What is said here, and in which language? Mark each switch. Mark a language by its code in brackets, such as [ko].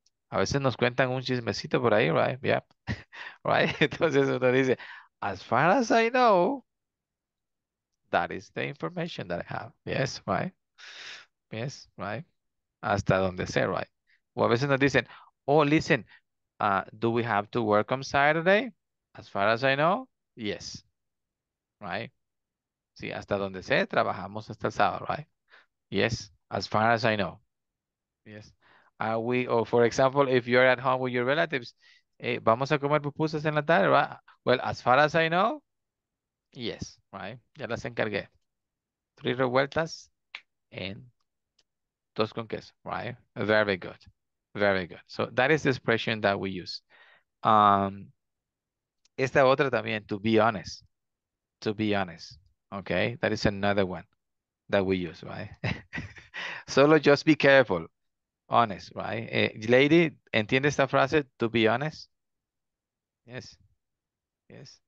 [es] A veces nos cuentan un chismecito por ahí, right? [en] Yeah, right? [es] Entonces uno dice, [en] as far as I know, that is the information that I have. Yes, right? Yes, right? [es] Hasta donde sea, [en] right? [es] O a veces nos dicen, [en] oh, listen, do we have to work on Saturday? As far as I know, yes. Right? [es] Sí, hasta donde sea, trabajamos hasta el sábado, right? [en] Yes, as far as I know. Yes. Are we, or for example, if you're at home with your relatives, hey, [es] vamos a comer pupusas en la tarde, [en] right? Well, as far as I know, yes, right? [es] Ya las encargué. Tres revueltas en... Dos con queso, [en] right? Very good. Very good. So that is the expression that we use. [es] Esta otra también, [en] to be honest. To be honest. Okay? That is another one that we use, right? Solo just be careful. Honest, right? Lady, [es] ¿entiende esta frase? [en] To be honest? Yes. Yes.